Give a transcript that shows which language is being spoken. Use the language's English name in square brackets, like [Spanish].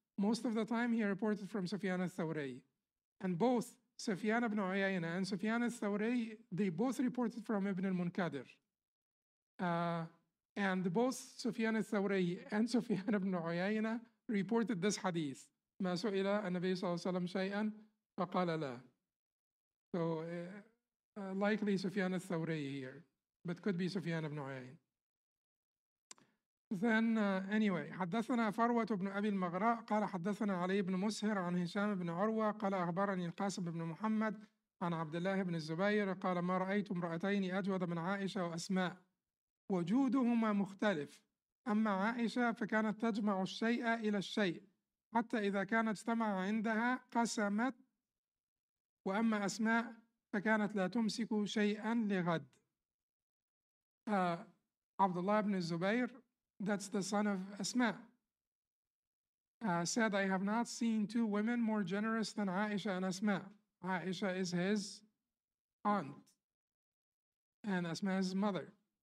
[English] Most of the time he reported from Sufyan al-Thawriya. And both Sufyan ibn Uyayna and Sufyan al-Thawriya, they both reported from Ibn al-Munkadir. And both Sufyan al-Thawriya and Sufyan ibn Uyayna reported this hadith. [Arabic] ما سئل النبي صلى الله عليه وسلم شيئا فقال لا. [English] So likely Sufyan al-Thawri here, but could be Sufyan ibn Uyayn. Then anyway, [Arabic] حدثنا فروة بن أبي المغراء قال حدثنا علي بن مسهر عن هشام بن عروة قال أخبرني القاسم بن محمد عن عبد الله بن الزبير قال ما رأيت امرأتين أجود من عائشة وأسماء وجودهما مختلف. أما عائشة فكانت تجمع الشيء إلى الشيء حتى إذا كانت اجتمع عندها قسمت، وأما أسماء فكانت لا تمسك شيئا لغد. [English] عبد الله بن الزبير, that's the son of Asma, said, I have not seen two women more generous than Aisha and Asma. Aisha is his aunt, and Asma is his mother.